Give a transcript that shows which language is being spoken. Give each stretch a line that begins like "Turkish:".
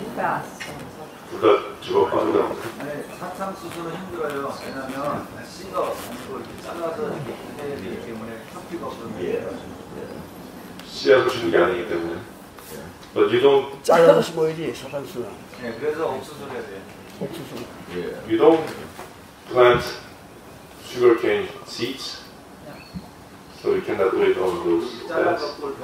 English: It's a toss-up. I think they're both pretty fast. Yeah.
Korean: 씨앗을 주는 게 아니기 때문에.
English: But you don't.
Korean: 잘라서 뭐지 사탕수수. 예, 그래서 옥수수를 해야 돼. 옥수수.
English: Yeah. You don't plant sugarcane seeds, so you cannot do it on those plants.